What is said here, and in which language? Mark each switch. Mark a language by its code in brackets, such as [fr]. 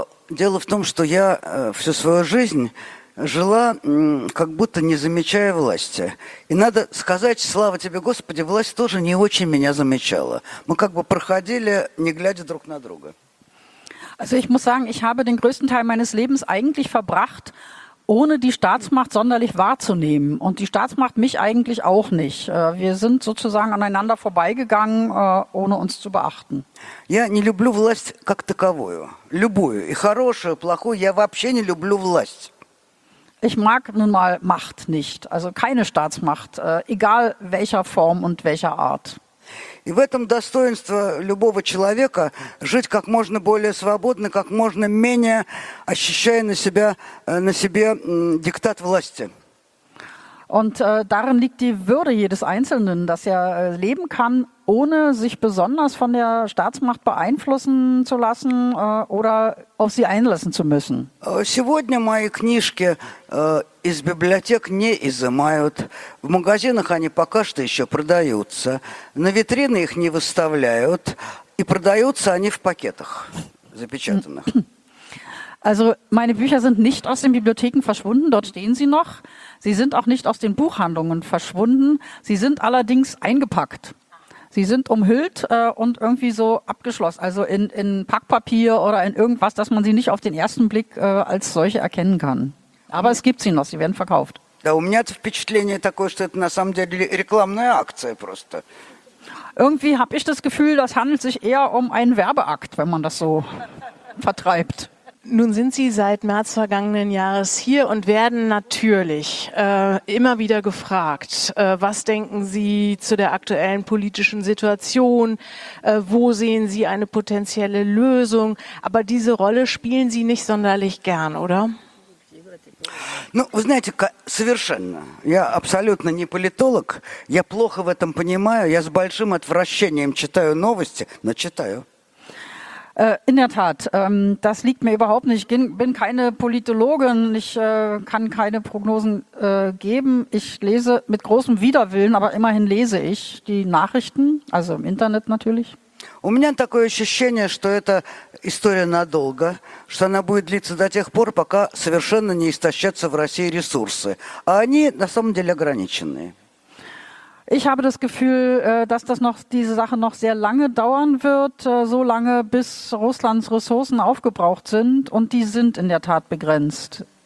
[ru] Дело в том, что я всю свою жизнь жила, как будто не замечая власти. И надо сказать, слава тебе, Господи, власть тоже не очень меня замечала. Мы как бы проходили, не глядя друг на друга. [de] Also ich muss sagen, ich habe den größten Teil meines Lebens eigentlich verbracht, ohne die Staatsmacht sonderlich wahrzunehmen. Und die Staatsmacht mich eigentlich auch nicht. Wir sind sozusagen aneinander vorbeigegangen, ohne uns zu beachten. [ru] Я не люблю власть как таковую. Любую. И хорошую, и плохую. Я вообще не люблю власть. [de] Ich mag nun mal Macht nicht. Also keine Staatsmacht. Egal welcher Form und welcher Art. [ru] И в этом достоинство любого человека жить как можно более свободно, как можно менее ощущая на себе диктат власти. [de] Und darin liegt die Würde jedes Einzelnen, dass er leben kann, ohne sich besonders von der Staatsmacht beeinflussen zu lassen oder auf sie einlassen zu müssen. [ru] Сегодня мои книжки из библиотек не изымают. В магазинах они пока что еще продаются. На витрины их не выставляют. И продаются они в пакетах запечатанных. [de] Also meine Bücher sind nicht aus den Bibliotheken verschwunden, dort stehen sie noch. Sie sind auch nicht aus den Buchhandlungen verschwunden. Sie sind allerdings eingepackt. Sie sind umhüllt und irgendwie so abgeschlossen, also in Packpapier oder in irgendwas, dass man sie nicht auf den ersten Blick als solche erkennen kann. Aber es gibt sie noch, sie werden verkauft. [ru] Да, у меня впечатление такое, что это на самом деле рекламная акция просто. [de] Irgendwie habe ich das Gefühl, das handelt sich eher um einen Werbeakt, wenn man das so vertreibt. Nun sind Sie seit März vergangenen Jahres hier und werden natürlich immer wieder gefragt, was denken Sie zu der aktuellen politischen Situation, wo sehen Sie eine potenzielle Lösung, aber diese Rolle spielen Sie nicht sonderlich gern, oder? [ru] Ну, вы знаете, совершенно. Я абсолютно не политолог, я плохо в этом понимаю, я с большим отвращением читаю новости, но читаю. [de] In der Tat, das liegt mir überhaupt nicht. Ich bin keine Politologin, ich kann keine Prognosen geben. Ich lese mit großem Widerwillen, aber immerhin lese ich die Nachrichten, also im Internet natürlich. [ru] У меня такое ощущение, что эта история надолго, что она будет длиться до тех пор, пока совершенно не истощатся в России ресурсы. А они на самом деле ограничены. [de] Ich habe das Gefühl, dass das noch diese Sache noch sehr lange dauern wird, so lange, bis Russlands Ressourcen aufgebraucht sind und die sind in der Tat begrenzt.